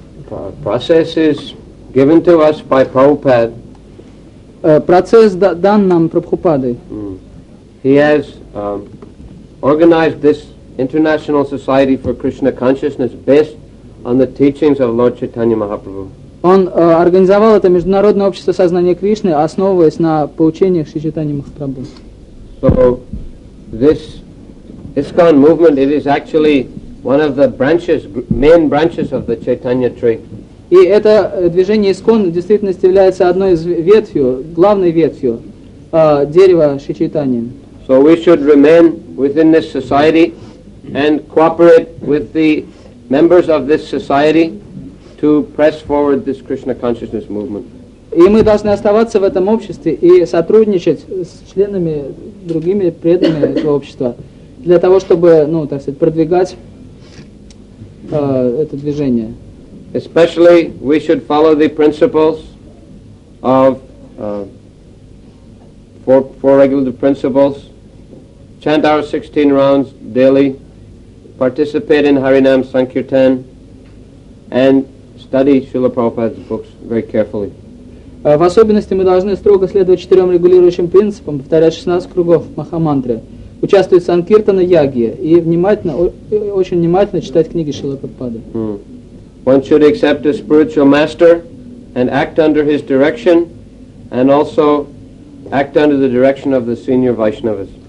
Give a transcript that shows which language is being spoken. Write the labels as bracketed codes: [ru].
[en] Our process is given to us by Prabhupada. [ru] Процесс дан нам Прабхупадой. [en] He has organized this International Society for Krishna Consciousness based on the teachings of Lord Chaitanya Mahaprabhu. [ru] Он организовал это Международное общество сознания Кришны, основываясь на поучениях Шри Чайтаньи Махапрабху. [en] So this ISKCON movement, it is actually one of the branches, main branches of the Chaitanya tree. [ru] И это движение ИСКОН в действительности является одной из ветвью, главной ветвью дерева Шри Чайтаньи. [en] So we should remain within this society and cooperate with the members of this society to press forward this Krishna consciousness movement. [ru] И мы должны оставаться в этом обществе и сотрудничать с членами другими преданными этого общества для того, чтобы, ну, так сказать, продвигать это движение. [en] Especially we should follow the principles of four regular principles, chant our 16 rounds daily, participate in Harinam Sankirtan, and study Srila Prabhupada's books very carefully. [ru] В особенности мы должны строго следовать четырем регулирующим принципам, повторять 16 кругов Махамантры, участвует в Санкиртана Ягья и внимательно, очень внимательно читать книги Шрилы Прабхупады. [en] One should accept a spiritual master and act under his direction and also act under the direction of the senior Vaishnavas.